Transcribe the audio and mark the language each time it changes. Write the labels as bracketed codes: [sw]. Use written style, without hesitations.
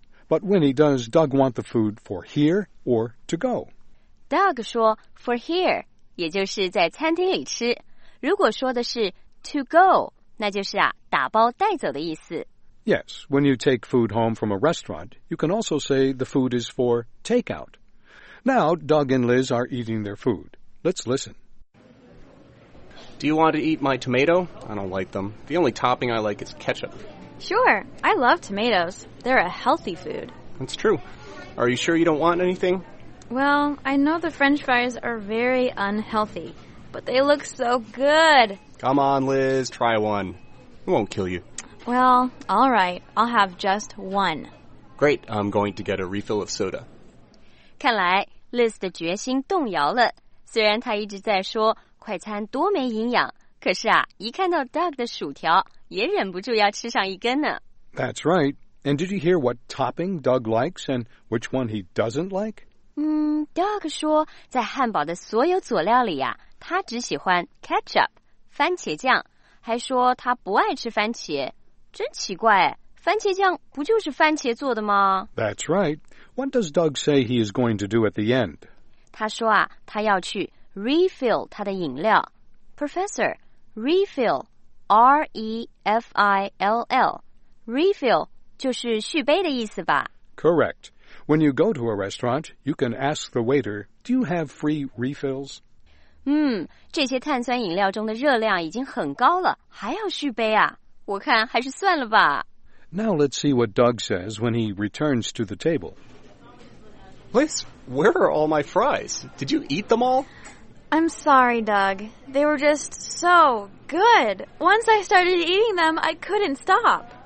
[en] But Winnie, does Doug want the food for here or to go? [zh] Doug 说 [en] for here. [zh] 也就是在餐厅里吃，如果说的是 [en] to go, [zh] 那就是啊打包带走的意思。 [en] Yes, when you take food home from a restaurant, you can also say the food is for takeout. Now, Doug and Liz are eating their food. Let's listen. Do you want to eat my tomato? I don't like them. The only topping I like is ketchup. Sure, I love tomatoes. They're a healthy food. That's true. Are you sure you don't want anything? Well, I know the French fries are very unhealthy, but they look so good. Come on, Liz, try one. It won't kill you. Well, all right, I'll have just one. Great, I'm going to get a refill of soda. [zh] 看来 Liz 的决心动摇了。虽然她一直在说快餐多没营养，可是啊，一看到 Doug 的薯条，也忍不住要吃上一根呢。 [en] That's right. And did you hear what topping Doug likes and which one he doesn't like? [zh] Doug 说在汉堡的所有佐料里啊，他只喜欢 ketchup, 番茄酱，还说他不爱吃番茄。真奇怪，番茄酱不就是番茄做的吗？ [en] That's right. What does Doug say he is going to do at the end? [zh] 他说啊，他要去 refill 他的饮料。 [en] Professor, refill, R-E-F-I-L-L. Refill [zh] 就是续杯的意思吧？ [en] Correct. When you go to a restaurant, you can ask the waiter, do you have free refills? [zh] 这些碳酸饮料中的热量已经很高了，还要续杯啊？我看还是算了吧。 [en] Now let's see what Doug says when he returns to the table. Liz, where are all my fries? Did you eat them all? I'm sorry, Doug. They were just so good. Once I started eating them, I couldn't stop.